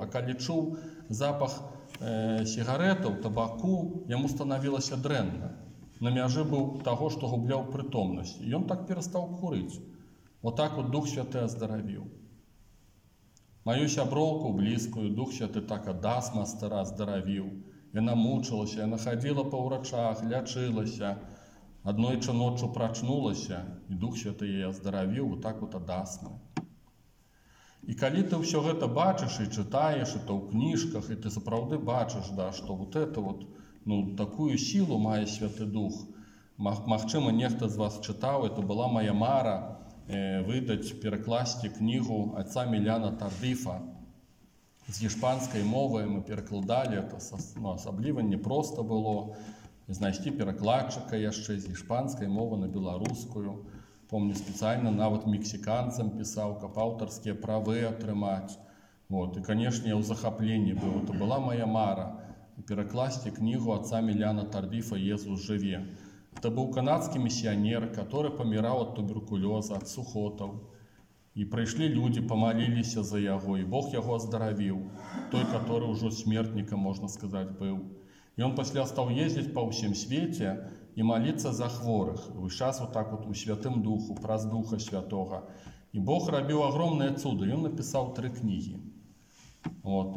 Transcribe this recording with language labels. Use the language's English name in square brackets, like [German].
[Russian] А когда чул запах сигаретов, табаку, ему становилось дренно. На меже был того, что гублял притомность. И он так перестал курить. Вот так вот Дух Святый оздоровил. Мою сябровку близкую Дух Святый так отдаст мастера, оздоровил. [Belarusian] Яна мучылася, яна хадзіла па ўрачах, лячылася. Аднойчы ноччу прачнулася, і Дух Святы яе аздаравіў, вот так вот ад астмы. І калі ты ўсё гэта бачыш і чытаеш, і то ў кніжках, і ты сапраўды бачыш, да, што [Russian] вот это вот, [Belarusian] ну, такую сілу мае Святы Дух. Магчыма, нехта з вас чытаў, это была мая мара выдаць, перакласці кнігу отца Миляна Тардыфа. З іспанскай мовы мы перакладалі, это ну, асабліва не проста было знайсці перакладчыка яшчэ з іспанскай мовы на беларускую. Помню, спецыяльна нават мексіканцам пісаў, каб аўтарскія правы атрымаць. Вот, і, канешне, я ў захапленні быў, то была мая мара перакласці кнігу отца Миляна Тардыфа «Езус жыве». Это быў канадскі місіянер, каторы паміраў ад туберкулёза, ад сухотаў. [Russian] И пришли люди, помолились за его, и Бог его оздоровил, той, который уже смертником, можно сказать, был. И он после стал ездить по всем свете и молиться за хворых. И сейчас вот так вот у Святым Духу, праз Духа Святого. И Бог робил огромное чудо, и он написал 3 книги. Вот.